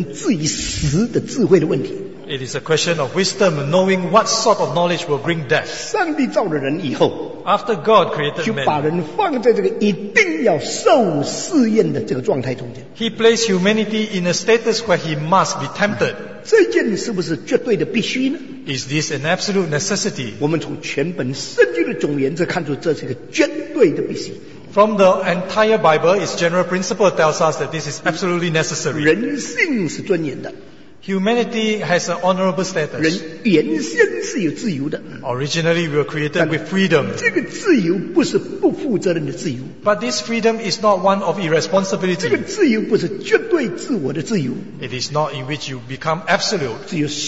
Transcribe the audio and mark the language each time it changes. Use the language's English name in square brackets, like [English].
[Chinese] 这里关系哪一种知识使人至于死的智慧的问题。 [English] It is a question of wisdom, knowing what sort of knowledge will bring death. [Chinese] 上帝造了人以后, [English] After God created man, [Chinese] 就把人放在这个一定要受试验的这个状态中间。 [English] He placed humanity in a status where he must be tempted. [Chinese] 这件事是不是绝对的必须呢? [English] Is this an absolute necessity? [Chinese] 我们从全本圣经的总原则看出这是一个绝对的必须。 [English] From the entire Bible, its general principle tells us that this is absolutely necessary. [Chinese] 人性是尊严的。 [English] Humanity has an honorable status. [Chinese] 人原先是有自由的。 [English] Originally, we were created with freedom. [Chinese] 这个自由不是不负责任的自由。 [English] But this freedom is not one of irresponsibility. [Chinese] 这个自由不是绝对自我的自由。 [English] It is not in which you become absolute.